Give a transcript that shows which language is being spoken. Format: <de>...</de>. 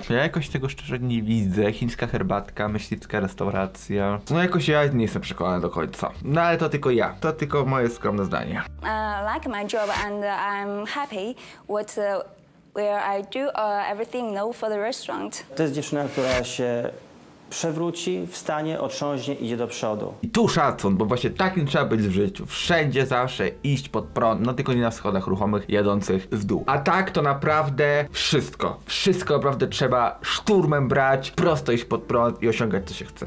<pl>Ja jakoś tego szczerze nie widzę. Chińska herbatka, myśliwska restauracja. No jakoś ja nie jestem przekonany do końca. No ale to tylko ja. To tylko moje skromne zdanie.</pl> <en>Like my job and I'm happy with where I do everything now for the restaurant.</en> <pl>To jest dziewczyna, która się przewróci, wstanie, otrząśnie, idzie do przodu. I tu szacun, bo właśnie takim trzeba być w życiu. Wszędzie zawsze iść pod prąd, no tylko nie na schodach ruchomych jadących w dół. A tak to naprawdę wszystko. Wszystko naprawdę trzeba szturmem brać, prosto iść pod prąd i osiągać co się chce.</pl>